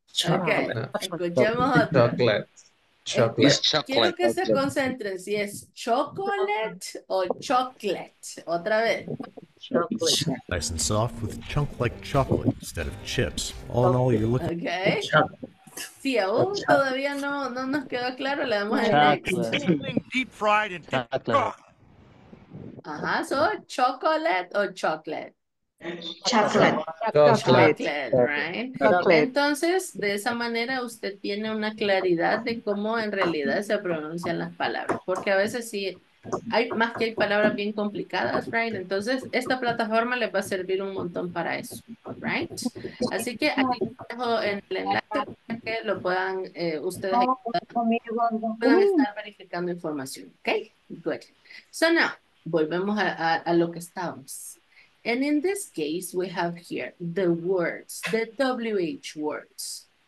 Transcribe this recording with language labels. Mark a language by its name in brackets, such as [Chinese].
[English] Chocolate. [Spanish] Okay. Escuchemos otro. Chocolate. Chocolate. Es chocolate. Quiero que se concentren si es chocolate o chocolate. Otra vez. [English] Chocolate. Nice and soft with chunk like chocolate instead of chips. All in all, you're looking for okay. Chocolate. [Spanish] Si aún [English] chocolate. [Spanish] Todavía no nos quedó claro, le damos el next. [English] Deep fried and [Spanish] ajá, [English] so [Spanish] chocolate o chocolate. [English] Chocolate. [Spanish] Entonces, de esa manera usted tiene una claridad de cómo en realidad se pronuncian las palabras, porque a veces sí hay más que hay palabras bien complicadas, [English] right? [Spanish] Entonces, esta plataforma le va a servir un montón para eso, [English] right? [Spanish] Así que aquí dejo el enlace para que lo puedan ustedes puedan estar verificando información, okay? [English] Good. So now, [Spanish] volvemos a lo que estábamos. [English] And in this case, we have here the words, the WH words.